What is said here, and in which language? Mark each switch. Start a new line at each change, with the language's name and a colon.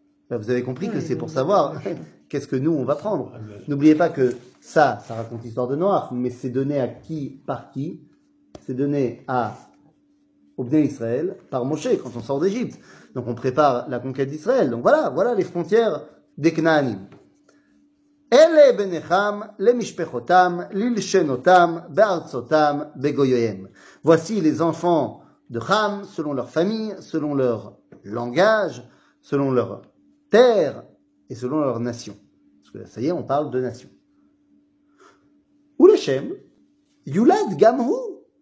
French: Vous avez compris que c'est pour savoir qu'est-ce que nous on va prendre. N'oubliez pas que ça, ça raconte l'histoire de Noir, mais c'est donné à qui par qui? C'est donné à Obné Israël par Moshe quand on sort d'Égypte. Donc on prépare la conquête d'Israël. Donc voilà, voilà les frontières des Canaanim.
Hebrew: אלה בניכם למשפחותם ללשנותם בארצותם בגויים.
French: Voici les enfants de Ham selon leur famille, selon leur langage, selon leur terre et selon leur nation. Parce que ça y est, on parle de nation.
Hebrew: Oula Shem, Yulad Gamhu.